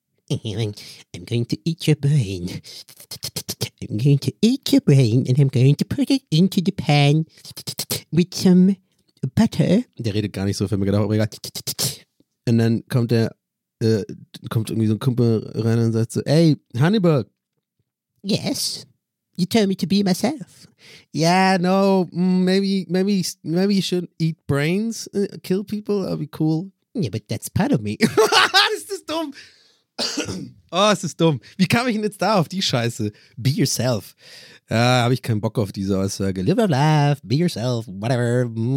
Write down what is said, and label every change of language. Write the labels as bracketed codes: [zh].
[en] I'm going to eat your brain. I'm going to eat your brain and I'm going to put it into the pan with some butter. [de] Der redet gar nicht so, für mich gedacht, aber egal. Und dann kommt der, kommt irgendwie so ein Kumpel rein und sagt so, ey, Hannibal. [en] Yes, you told me to be myself. Yeah, no, maybe you shouldn't eat brains, kill people, that'd be cool. Yeah, but that's part of me. [de] Das ist dumm. Oh, es ist dumm. Wie kam ich denn jetzt da auf die Scheiße? [en] Be yourself. [de] Ja, habe ich keinen Bock auf diese Aussage. [en] Live your life, be yourself, whatever.